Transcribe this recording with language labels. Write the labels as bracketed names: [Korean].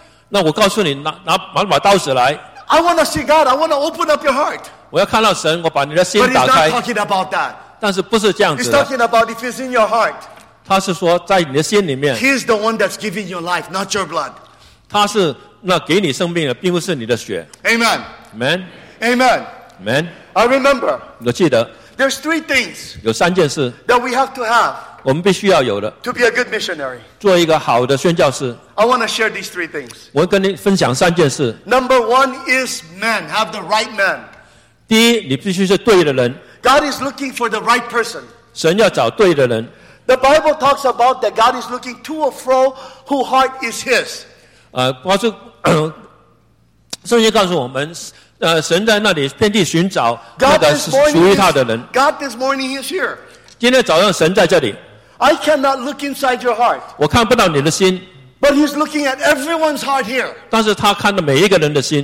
[Chinese] 那我告诉你，拿把刀子来。 [English] I want to see God. I want to open up your heart. [Chinese] 我要看到神，我把你的心打开。 [English] But He's not talking about that. [Chinese] 但是不是这样子的。 [English] He's talking about if it's in your heart. [Chinese] 他是说在你的心里面。 [English] He's the one that's giving you life, not your blood. [Chinese] 他是那给你生命的，并不是你的血。 [English] Amen. Amen. Amen. Amen. I remember. [Chinese] 我记得。 [English] There's three things. [Chinese] 有三件事。 [English] That we have to have. [Chinese] 我们必须要有的, [English] to be a good missionary. [Chinese] 做一个好的宣教士, [English] I want to share these three things. [Chinese] 我跟你分享三件事。 [English] Number one is men. Have the right men. [Chinese] 第一, 你必须是对的人。 [English] God is looking for the right person. [Chinese] 神要找对的人。 [English] The Bible talks about that God is looking to and fro who heart is his. [Chinese] 圣经告诉我们, 神在那里遍地寻找那个属于他的人。 [English] God this morning is here. [Chinese] 今天早上神在这里。 [English] I cannot look inside your heart. [Chinese] 我看不到你的心。 [English] But he's looking at everyone's heart here. [Chinese] 但是他看到每一个人的心。